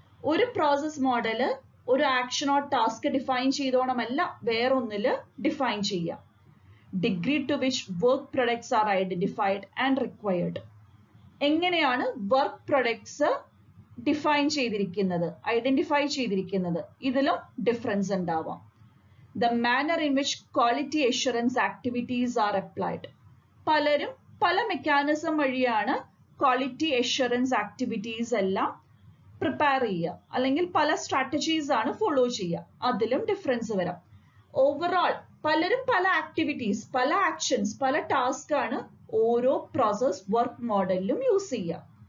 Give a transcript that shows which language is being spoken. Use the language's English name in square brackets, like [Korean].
[Malayalam] ഒരു process model ഒരു ആക്ഷനോ task define ചെയ്തോണമല്ല, വേറൊന്നിൽ define ചെയ്യുക. [English] Degree to which work products are identified and required. [Malayalam] എങ്ങനെയാണ് work products define ചെയ്തിരിക്കുന്നത്, identify ചെയ്തിരിക്കുന്നത്, ഇതിലും ഡിഫറൻസ് ഉണ്ടാവാം. [English] the manner in which quality assurance activities are applied. [Malayalam] പലരും പല മെക്കാനിസം വഴിയാണ് ക്വാളിറ്റി അഷുറൻസ് ആക്ടിവിറ്റീസ് എല്ലാം പ്രിപ്പയർ ചെയ്യുക, അല്ലെങ്കിൽ പല സ്ട്രാറ്റജീസ് ആണ് ഫോളോ ചെയ്യുക. അതിലും ഡിഫറൻസ് വരാം. ഓവറോൾ പലരും പല ആക്ടിവിറ്റീസ്, പല ആക്ഷൻസ്, പല ടാസ്ക് ആണ് ഓരോ പ്രോസസ് വർക്ക് മോഡലിലും യൂസ് ചെയ്യുക.